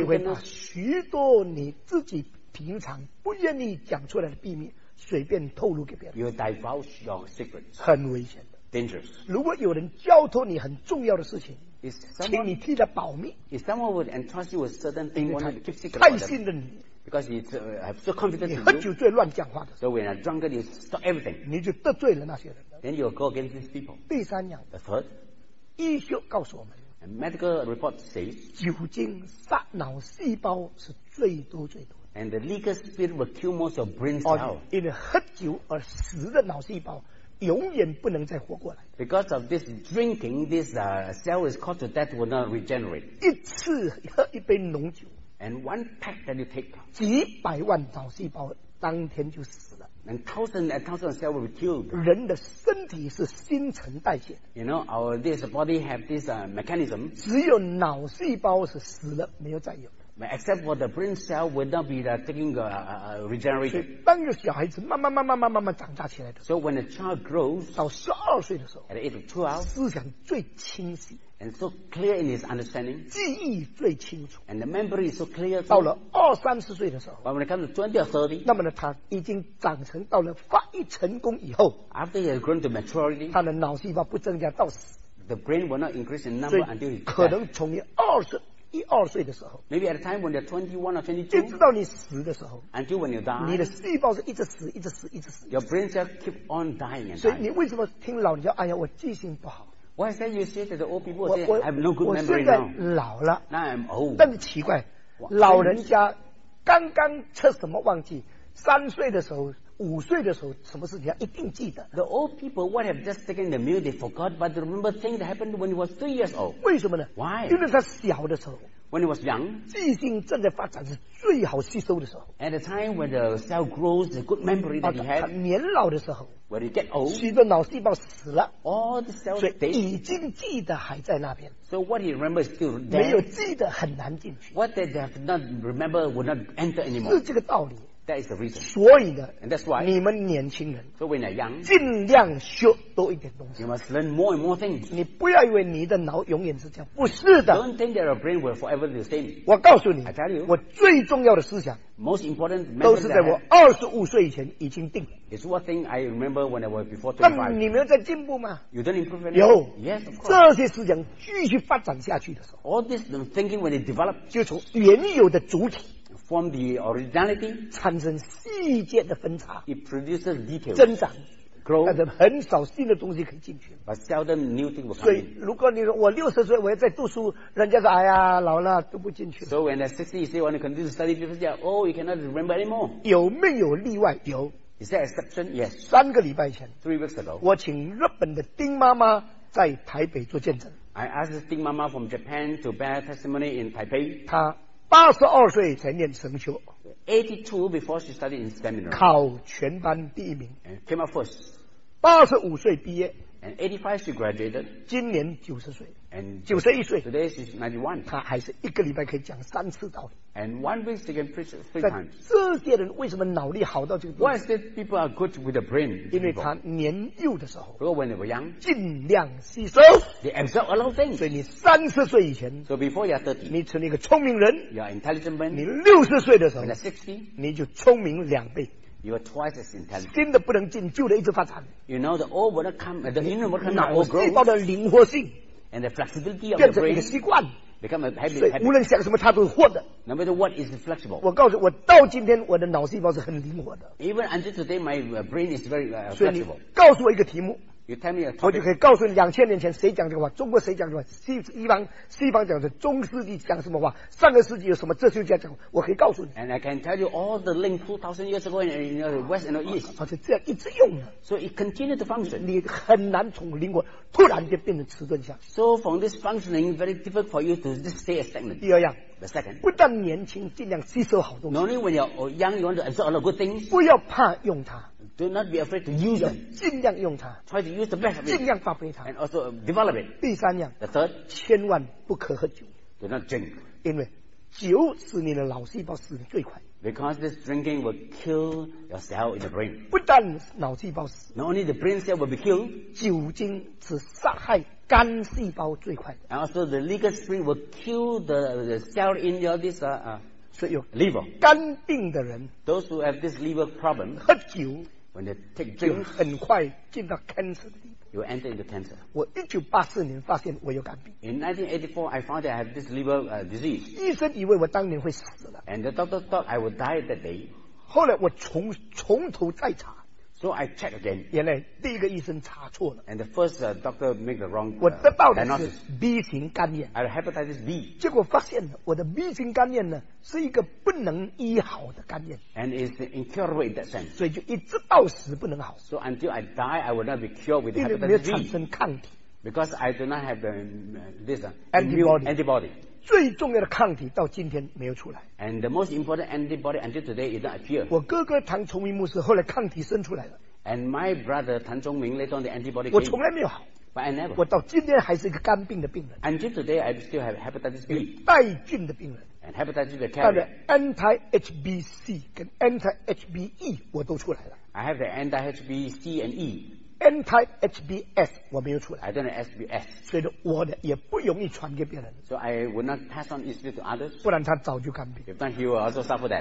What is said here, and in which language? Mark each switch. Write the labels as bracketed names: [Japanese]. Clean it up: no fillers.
[Chinese] 你会把许多你自己平常不愿意讲出来的秘密。随便透露给别人。 [English] You divulge your secrets. [Chinese] 很危险的。 [English] Dangerous. [Chinese] 如果有人交托你很重要的事情， [English] someone, [Chinese] 请你替他保密。 [English] If someone would entrust you with certain things, want to keep secret. [Chinese] 太信任你。 [English] Because he have so confidence in you. [Chinese] 你喝酒醉乱讲话的。 [English] So when you're drunk, you stop everything. [Chinese] 你就得罪了那些人。 [English] Then you go against these people. [Chinese] 第三样。 [English] The third. [Chinese] 医学告诉我们。 [English] And medical report says. [Chinese] 酒精杀脑细胞是最多最多。 [English] And the liquor spirit will kill most of brain cells. [Chinese] 因为喝酒而死的脑细胞永远不能再活过来。 [English] Because of this drinking, this cell is caused to death, will not regenerate. [Chinese] 一次喝一杯浓酒。 [English] And one pack that you take. [Chinese] 几百万脑细胞当天就死了。 [English] And thousands and thousands of cells will be killed. [Chinese] 人的身体是新陈代谢。 [English] You know, this body have this mechanism. [Chinese] 只有脑细胞是死了，没有再有。 [English] Except for the brain cell would not be taking regenerated. [Chinese] 当一个小孩子慢慢长大起来的。 [English] So when a child grows, [Chinese] 到十二岁的时候 [English] ，at the age of 12, [Chinese] 思想最清晰 [English] ，and so clear in his understanding, [Chinese] 记忆最清楚 [English] ，and the memory is so clear. [Chinese] 到了二三十岁的时候 [English] ，when it comes to 20 or 30, [Chinese] 那么呢，他已经长成到了发育成功以后 [English] ，after he has grown to maturity, [Chinese] 他的脑细胞不增加到死 [English] ，the brain will not increase in number until he dies. [Chinese] 可能从你二十。一二岁的时候 [English] ，maybe at the time when you're 21 or 22， [Chinese] 一直到你死的时候 [English] ，until when you die， [Chinese] 你的细胞是一直死，一直死，一直死。 [English] Your brain cell keep on dying and dying。 [Chinese] 所以你为什么听老人家，哎呀，我记性不好 [English] ？Why is that you say that the old people say I have no good memory now？ [Chinese] 我现在老了 [English] ，now I'm old。 [Chinese] 但是奇怪，老人家刚刚吃什么忘记？三岁的时候。五岁的时候什么事情一定记得 [English] The old people what have just taken the meal they forgot but they remember things that happened when he was 3 years old [Chinese] 为什么呢 [English] Why? [Chinese] 因为他小的时候 [English] When he was young [Chinese] 记性正在发展是最好吸收的时候 [English] At the time when the cell grows the good memory that he had [Chinese] 他年老的时候 [English] When he get old [Chinese] 许多脑细胞死了 [English] All the cells dead [Chinese] 所以已经记得还在那边 [English] So what he remembers still dead [Chinese] 没有记得很难进去 [English] What they have not remembered will not enter anymore [Chinese] 是这个道理 [English] That is the reason. [Chinese] 所以呢 [English] and that's why, [Chinese] 你们年轻人 [English] so when you're young, [Chinese] 尽量学多一点东西。 [English] You must learn more and more things. [Chinese] 你不要以为你的脑永远是这样。不是的。 [English] Don't think that your brain will forever be the same. [Chinese] 我告诉你 [English] I tell you, [Chinese] 我最重要的思想 [English] most important [Chinese] 都是在我25岁以前已经定。 [English] It's one thing I remember when I was before 25. [Chinese] 那你们有在进步吗 [English] You don't improve anymore? [Chinese] 有。 [English] Yes, of course. [Chinese] 这些思想继续发展下去的时候 [English] All this thinking when it develops, [Chinese] 就从原有的主体 [English] From the originality, [Chinese] 产生细节的分叉 [English] it produces details, [Chinese] 增长 [English] grow, [Chinese] 但是很少新的东西可以进去 [English] but seldom new thing will come in. [Chinese] 所以如果你说我60岁我要再读书人家说哎呀老了读不进去 [English] So when at 60 you say when you continue to study people say oh you cannot remember anymore [Chinese] 有没有例外有 [English] Is that exception? Yes [Chinese] 三个礼拜前 [English] Three weeks ago [Chinese] 我请日本的丁妈妈在台北做见证 [English] I asked Ding Mama from Japan to bear testimony in Taipei [Chinese] 她82岁才念神修 [English] 82 before she studied in seminary [Chinese] 考全班第一名 [English] and came up first [Chinese] 85岁毕业 [English] and 85 she graduated [Chinese] 今年90岁 [English] and [Chinese] 91岁 [English] today she's 91 [Chinese] 她还是一个礼拜可以讲三次道理 [English] and one week she can preach three times [Chinese] 这些人为什么脑力好到这个 [English] why is that people are good with the brain [Chinese] 因为她年幼的时候 [English] so when they were young [Chinese] 尽量吸收 [English] They absorb a lot of things. [Chinese] 所以你三十岁以前 [English] so before you're 30, [Chinese] 你成了一个聪明人 [English] you're intelligent man, [Chinese] 你六十岁的时候 [English] when you're 60, [Chinese] 你就聪明两倍 [English] you're twice as intelligent. [Chinese] 新的不能进旧的一直发展 [English] you know the old world come, the new world come, the old growth [Chinese] 脑细胞的灵活性 [English] and the flexibility of your brain [Chinese] 变成一个习惯 [English] become a habit, [Chinese] 所以无论想什么它都是活的 [English] no matter what is flexible [Chinese] 我告诉我到今天我的脑细胞是很灵活的 [English] even until today my brain is very flexible [Chinese] 所以你告诉我一个题目 [English] You tell me a topic. [Chinese] 我就可以告诉你两千年前谁讲这个话中国谁讲这个话西方讲的中世纪讲什么话上个世纪有什么这世纪讲什么我可以告诉你 [English] and I can tell you all the link 2000 years ago in the west and the east [Chinese] 而且这样一直用 [English] so it continued to function [Chinese] 你很难从灵活突然就变成迟钝下 [English] so from this functioning very difficult for you to just stay a stagnant [Chinese] 第二样 [English] the second [Chinese] 不但年轻尽量吸收好东西 [English] not only when you're young you want to absorb a lot of good things [Chinese] 不要怕用它 [English] Do not be afraid to use them. [Chinese] 尽量用它 [English] Try to use the best of it. [Chinese] 尽量发挥它 [English] And also develop it. [Chinese] 第三样 [English] The third. [Chinese] 千万不可喝酒 [English] Do not drink. [Chinese] 因为酒使你的脑细胞死得最快 [English] Because this drinking will kill your cell in the brain. [Chinese] 不但脑细胞死 [English] Not only the brain cell will be killed. [Chinese] 酒精只杀害肝细胞最快 [English] And also the liquor stream will kill the cell in your this, liver. [Chinese] 肝病的人 [English] Those who have this liver problem. [Chinese] 喝酒 [English] When they take drinks, [Chinese] 就很快进到 cancer 的地步 [English] You enter into cancer [Chinese] 我1984年发现我有肝病 [English] In 1984 I found that I have this liver disease [Chinese] 医生以为我当年会死了 [English] And the doctor thought I would die that day [Chinese] 后来我从头再查 [English] So I check again [Chinese] 原来第一个医生查错了 [English] And the first doctor made the wrong [Chinese] 我得到的是 B 型肝炎 [English] I have hepatitis B [Chinese] 结果发现我的 B 型肝炎呢是一个不能医好的肝炎 [English] and is incurable in that sense [Chinese] 所以就一直到死不能好 [English] so until I die I will not be cured with hepatitis B [Chinese] 因为没有产生抗体 [English] because I do not have this [Chinese] antibody 最重要的抗体到今天没有出来 [English] and the most important antibody until today is not appeared [Chinese] 我哥哥唐崇明牧师后来抗体生出来了 [English] and my brother 唐崇明 later on the antibody [Chinese] 我从来没有好我到今天还是一个肝病的病人 [English] until today I still have hepatitis B [Chinese] 带菌的病人 [English] and hepatitis B the carrier [Chinese] 他的 anti-HBC 跟 anti-HBE 我都出来了 [English] I have the anti-HBC and E [Chinese] anti-HBS 我没有出来 [English] I don't have HBS [Chinese] 所以我的也不容易传给别人 [English] so I would not pass on easily to others [Chinese] 不然他早就肝病 [English] if not he will also suffer that